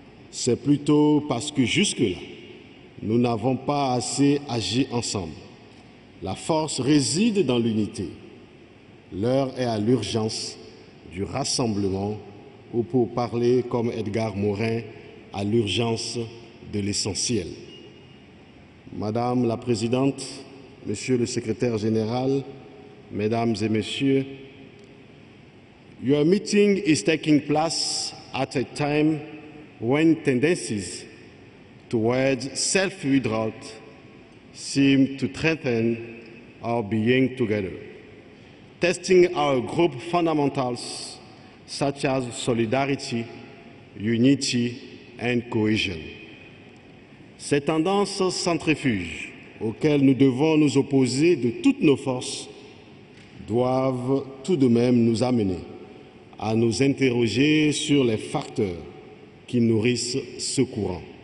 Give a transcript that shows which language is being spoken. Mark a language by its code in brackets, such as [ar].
[fr] C'est plutôt parce que jusque-là, nous n'avons pas assez agi ensemble. La force réside dans l'unité. L'heure est à l'urgence du rassemblement, ou pour parler comme Edgar Morin, à l'urgence de l'essentiel. Madame la Présidente, Monsieur le Secrétaire Général, Mesdames et Messieurs, [en] your meeting is taking place at a time when tendencies towards self-withdrawal seem to threaten our being together, testing our group fundamentals such as solidarity, unity, and cohesion. [fr] Ces tendances centrifuges auxquelles nous devons nous opposer de toutes nos forces doivent tout de même nous amener à nous interroger sur les facteurs qui nourrissent ce courant.